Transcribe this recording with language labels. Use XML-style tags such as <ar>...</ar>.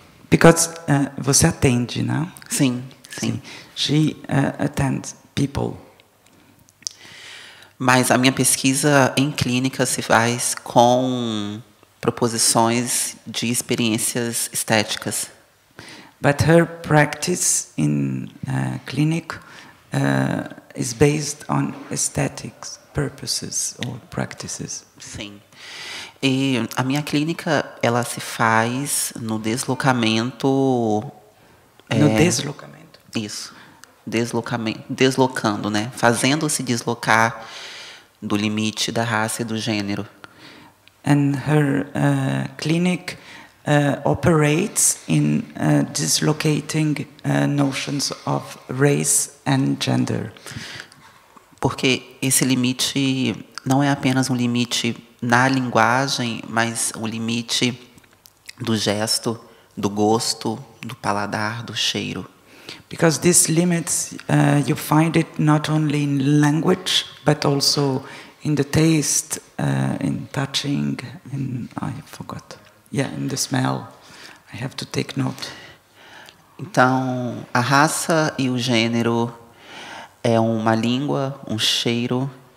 <en>Because</en> <pt>você atende, não? Sim, sim.</pt> <en>She attends people.</en> <pt>Mas a minha pesquisa em clínica se faz com proposições de experiências estéticas.</pt> <en>But her practice in clinic is based on aesthetics. Purposes or practices.</en> <pt>Sim. E a minha clínica, ela se faz no deslocamento... No deslocamento. Isso. Deslocando, né? Fazendo-se deslocar do limite da raça e do gênero.</pt> <en>And her clinic operates in dislocating notions of race and gender.</en> <pt>Porque esse limite não é apenas um limite na linguagem, mas o limite do gesto, do gosto, do paladar, do cheiro.</pt> <en>Because these limits, you find it not only in language, but also in the taste, in touching, in, I forgot. Yeah, in the smell. I have to take note.</en> <pt>Então, a raça e o gênero é uma língua, um cheiro.</pt>